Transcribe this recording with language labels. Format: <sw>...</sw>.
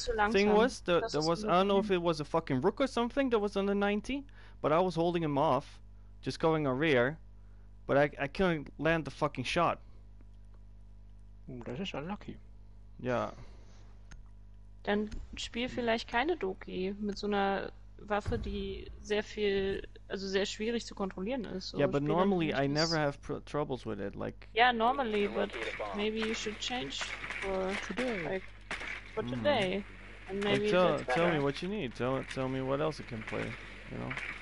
<en>Thing was, there was, I don't know if it was a fucking rook or something that was on the 90, but I was holding him off, just going a rear, but I couldn't land the fucking shot.</en> <de>Das ist unlucky. Ja. Dann spiel vielleicht keine Doki mit so einer Waffe, die sehr viel, also sehr schwierig zu kontrollieren ist.</de> <en>Ja, but normally I never have troubles with it, like. Yeah, normally, but maybe you should change for today. Like, for today. And maybe like, tell me what you need. Tell me what else it can play, you know?</en>